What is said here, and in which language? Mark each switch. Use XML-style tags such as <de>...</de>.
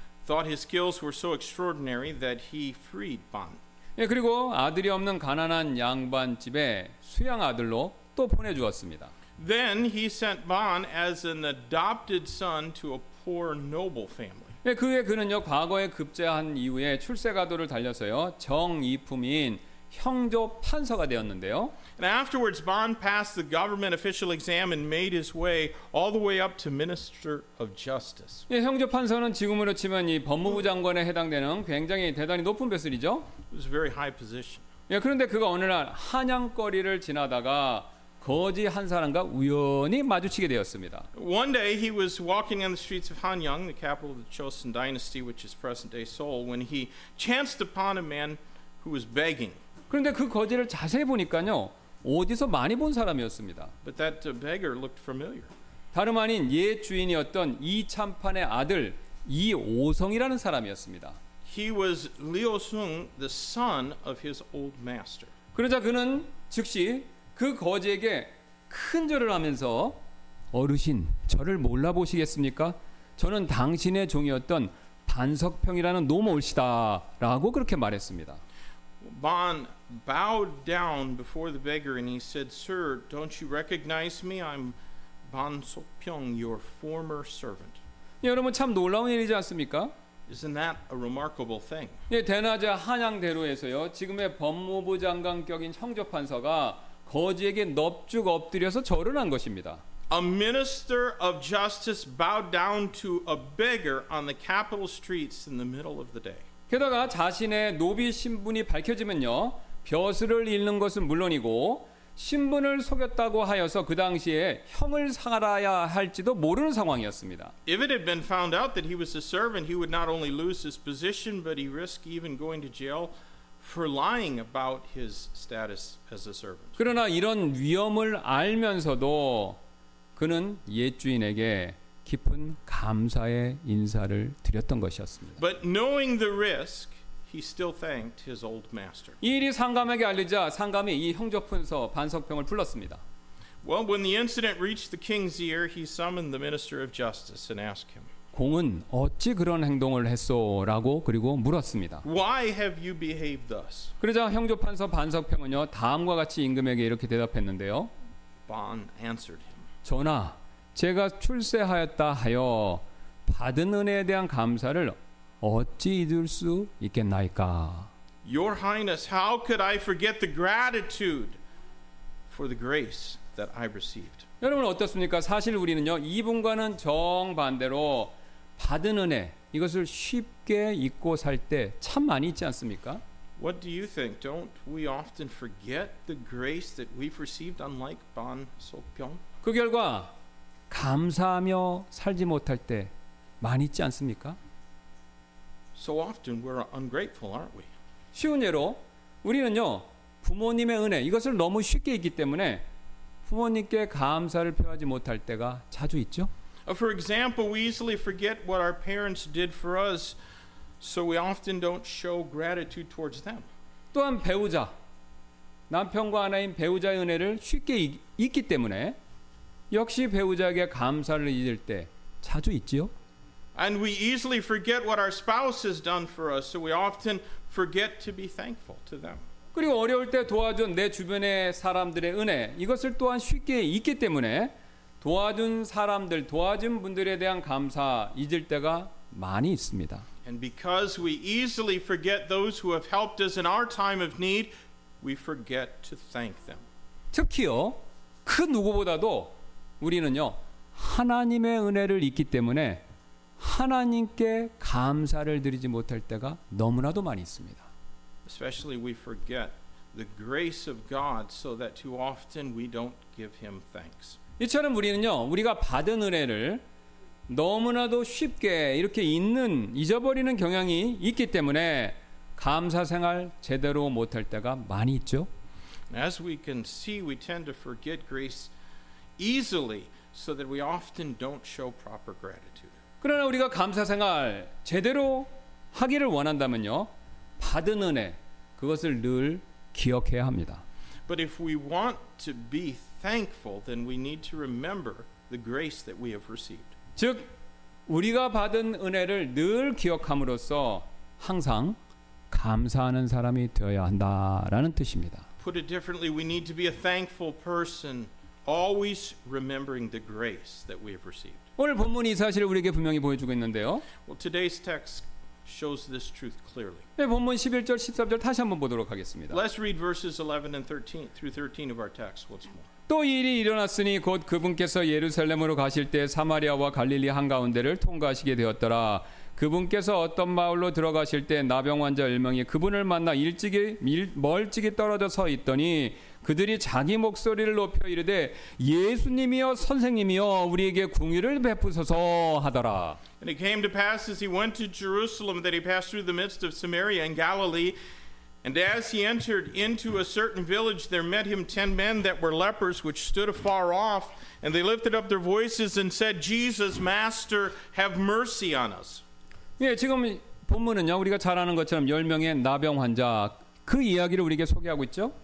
<en>thought his skills were so extraordinary that he freed Ban.</en> <ko>예, 그리고 아들이 없는 가난한 양반 집에 수양 아들로 또 보내 주었습니다.</ko> <en>Then he sent Ban as an adopted son to a poor noble family.</en> <ko>예, 그에 그는요 과거에 급제한 이후에 출세가도를 달려서요 정이품인 형조 판서가 되었는데요.</ko> <en>And afterwards, Ban passed the government official exam and made his way all the way up to Minister of Justice.</en> <ko>예, 형조 판서는 지금으로 치면 이 법무부 장관에 해당되는 굉장히 대단히 높은 벼슬이죠.</ko> <en>It was a very high position.</en> <ko>예, 그런데 그가 어느 날 한양거리를 지나다가 거지 한 사람과 우연히 마주치게 되었습니다.</ko> <en>One day he was walking in the streets of Hanyang, the capital of the Joseon Dynasty, which is present-day Seoul, when he chanced upon a man who was begging.</en> <ko>그런데 그 거지를 자세히 보니까요, 어디서 많이 본 사람이었습니다.</ko> <en>But that beggar looked familiar.</en> <ko>다름 아닌 옛 주인이었던 이참판의 아들 이오성이라는 사람이었습니다.</ko> <en>He was Liu Sung, the son of his old master.</en> <ko>그러자 그는 즉시 그 거지에게 큰 절을 하면서 어르신, 저를 몰라 보시겠습니까? 저는 당신의 종이었던 반석평이라는 노모옵시다라고 그렇게 말했습니다.</ko> <en>Ban bowed down before the beggar and he said, "Sir, don't you recognize me? I'm Ban Sokpyeong, your former servant."</en> <ko>예, 여러분 참 놀라운 일이지 않습니까?</ko> <en>Isn't that a remarkable thing?</en> <ko>예, 대낮에 한양대로에서요 지금의 법무부 장관격인 형조 판서가 거지에게 넙죽 엎드려서 절을 한 것입니다.</ko> <en>A minister of justice bowed down to a beggar on the capital streets in the middle of the day.</en> <ko>게다가 자신의 노비 신분이 밝혀지면요, 벼슬을 잃는 것은 물론이고 신분을 속였다고 하여서 그 당시에 형을 살아야 할지도 모르는 상황이었습니다.</ko> <en>If it had been found out that he was a servant, he would not only lose his position, but he risked even going to jail for lying about his status as a servant.</en> <ko>그러나 이런 위험을 알면서도 그는 옛 주인에게 깊은 감사의 인사를 드렸던 것이었습니다.</ko> <en>But knowing the risk, he still thanked his old master.</en> <ko>이 일이 상감에게 알리자 상감이 이 형조 판서 반석평을 불렀습니다.</ko> <en>Well, when the incident reached the king's ear, he summoned the minister of justice and asked him.</en> <ko>공은 어찌 그런 행동을 했소라고 그리고 물었습니다.</ko> <en>Why have you behaved thus?</en> <ko>그러자 형조 판서 반석평은요 다음과 같이 임금에게 이렇게 대답했는데요.</ko> <en>Ban answered him.</en> <ko>전하, 제가 출세하였다 하여 받은 은혜에 대한 감사를 어찌 잊을 수 있겠나이까?</ko> <en>Your Highness, how could I forget the gratitude for the grace that I received?</en> <ko>여러분 어떻습니까? 사실 우리는요 이분과는 정반대로 받은 은혜 이것을 쉽게 잊고 살 때 참 많이 있지 않습니까?</ko> <en>What do you think? Don't we often forget the grace that we've received, unlike Ban Sokpyeong?</en> <ko>그 결과 감사하며 살지 못할 때 많이 있지 않습니까?</ko> <en>So often we're ungrateful, aren't we?</en> <ko>쉬운 예로 우리는요 부모님의 은혜 이것을 너무 쉽게 잊기 때문에 부모님께 감사를 표하지 못할 때가 자주 있죠.</ko> <en>For example, we easily forget what our parents did for us, so we often don't show gratitude towards them.</en> <ko>또한 배우자 남편과 아내인 배우자의 은혜를 쉽게 잊기 때문에 역시 배우자에게 감사를 잊을 때 자주 있지요.</ko> <en>And we easily forget what our spouse has done for us, so we often forget to be thankful to them.</en> <ko>그리고 어려울 때 도와준 내 주변의 사람들의 은혜 이것을 또한 쉽게 잊기 때문에 도와준 사람들 도와준 분들에 대한 감사 잊을 때가 많이 있습니다.</ko> <en>And because we easily forget those who have helped us in our time of need, we forget to thank them.</en> <ko>특히요 그 누구보다도 우리는요 하나님의 은혜를 잊기 때문에 하나님께 감사를 드리지 못할 때가 너무나도 많이 있습니다.</ko> <en>Especially we forget the grace of God so that too often we don't give him thanks.</en> <ko>이처럼 우리는요 우리가 받은 은혜를 너무나도 쉽게 이렇게 잊어버리는 경향이 있기 때문에 감사 생활 제대로 못할 때가 많이 있죠.</ko> <en>As we can see, we tend to forget grace easily so that we often don't show proper gratitude.</en> <ko>그러나 우리가 감사 생활 제대로 하기를 원한다면요 받은 은혜 그것을 늘 기억해야 합니다.</ko> <en>But if we want to be thankful, then we need to remember the grace that we have received.</en> <ko>즉 우리가 받은 은혜를 늘 기억함으로써 항상 감사하는 사람이 되어야 한다라는 뜻입니다.</ko> <en>Put it differently, we need to be a thankful person, always remembering the grace that we have received.</en> <ko>오늘 본문이 이 사실을 우리에게 분명히 보여주고 있는데요.</ko> <en>Well, today's text shows this truth clearly.</en> <ko>네, 본문 11절, 13절 다시 한번 보도록 하겠습니다.</ko> <en>Let's read verses 11 and 13 through 13 of our text once more.</en> <ko>또 이 일이 일어났으니 곧 그분께서 예루살렘으로 가실 때 사마리아와 갈릴리 한가운데를 통과하시게 되었더라. 그분께서 어떤 마을로 들어가실 때 나병 환자 10명이 그분을 만나 멀찍이 떨어져 서 있더니 그들이 자기 목소리를 높여 이르되 예수님이여 선생님이여 우리에게 궁휼을 베푸소서 하더라.</ko> <en>And it came to pass as he went to Jerusalem that he passed through the midst of Samaria and Galilee. And as he entered into a certain village, there met him 10 men that were lepers, which stood afar off. And they lifted up their voices and said, Jesus, Master, have mercy on us.</en> <ko>예, 지금 본문은요, 우리가 잘 아는 것처럼 10명의 나병 환자, 그 이야기를 우리에게 소개하고 있죠.</ko>